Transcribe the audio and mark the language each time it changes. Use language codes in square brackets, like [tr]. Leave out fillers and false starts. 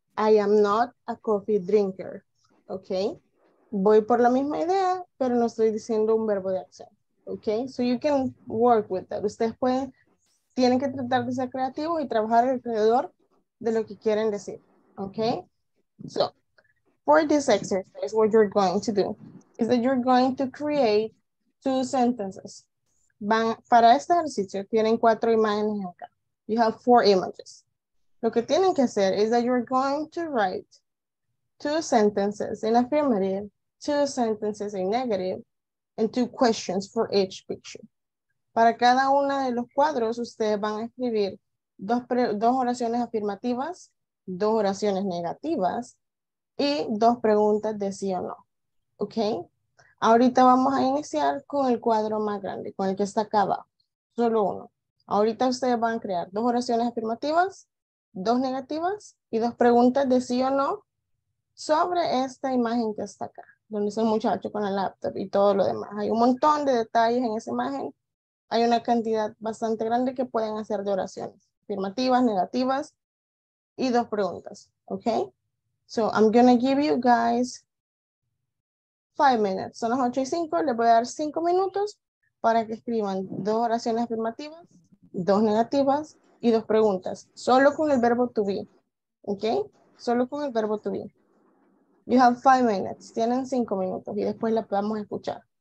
[en] I am not a coffee drinker. Ok. [es] Voy por la misma idea, pero no estoy diciendo un verbo de acción. Ok. [en] So you can work with that. [es] Ustedes pueden, tienen que tratar de ser creativos y trabajar alrededor de lo que quieren decir. [en] Ok. So, for this exercise, what you're going to do is that you're going to create two sentences. [es] Van, para este ejercicio, tienen cuatro imágenes acá. [en] You have four images. [es] Lo que tienen que hacer [en] is that you're going to write two sentences in affirmative, two sentences in negative, and two questions for each picture. [es] Para cada uno de los cuadros, ustedes van a escribir dos oraciones afirmativas, dos oraciones negativas, y dos preguntas de sí o no. Ok, ahorita vamos a iniciar con el cuadro más grande, con el que está acá abajo, solo uno. Ahorita ustedes van a crear dos oraciones afirmativas, dos negativas y dos preguntas de sí o no sobre esta imagen que está acá, donde está el muchacho con el laptop y todo lo demás. Hay un montón de detalles en esa imagen, hay una cantidad bastante grande que pueden hacer de oraciones afirmativas, negativas y dos preguntas. [en] Ok, so I'm gonna give you guys 5 minutes. [es] Son las 8:05. Les voy a dar 5 minutos para que escriban dos oraciones afirmativas, dos negativas y dos preguntas. Solo con el verbo to be. ¿Ok? Solo con el verbo to be. [en] You have 5 minutes. [es] Tienen 5 minutos y después la podemos escuchar.